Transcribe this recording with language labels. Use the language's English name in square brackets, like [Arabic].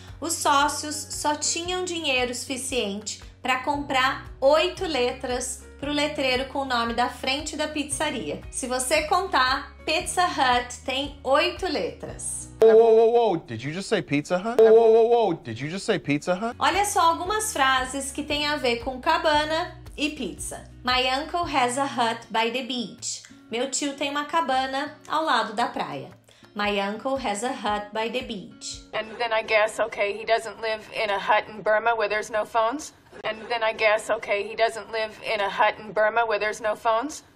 [Portuguese] Os sócios só tinham dinheiro suficiente para comprar oito letras para o letreiro com o nome da frente da pizzaria. Se você contar, Pizza Hut tem oito letras. [English] Whoa, did you just say Pizza Hut? Whoa, did you just say Pizza Hut? [Portuguese] Olha só algumas frases que têm a ver com cabana e pizza. [English] My uncle has a hut by the beach. [Portuguese] Meu tio tem uma cabana ao lado da praia. [English] My uncle has a hut by the beach. And then I guess, okay, he doesn't live in a hut in Burma where there's no phones. And then I guess, okay, he doesn't live in a hut in Burma where there's no phones.